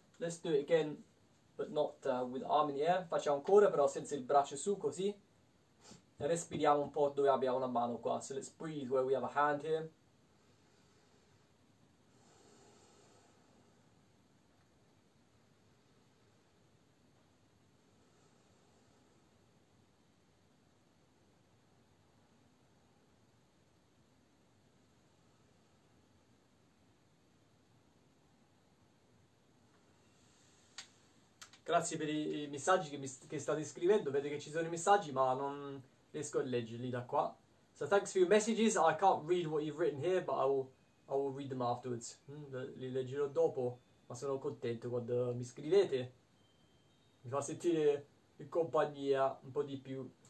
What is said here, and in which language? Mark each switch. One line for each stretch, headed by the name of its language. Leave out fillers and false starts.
English: Let's do it again, but not with arm in the air.
Italian: Facciamo ancora però senza il braccio su, così. E respiriamo un po' dove abbiamo una mano qua.
English: So let's breathe where we have a hand here.
Italian: Grazie per i messaggi che state scrivendo. Vedo che ci sono i messaggi, ma non riesco a leggerli da qua.
English: So, thanks for your messages. I can't read what you've written here, but I will read them afterwards.
Italian: Li leggerò dopo, ma sono contento quando mi scrivete. Mi fa sentire in compagnia un po' di più.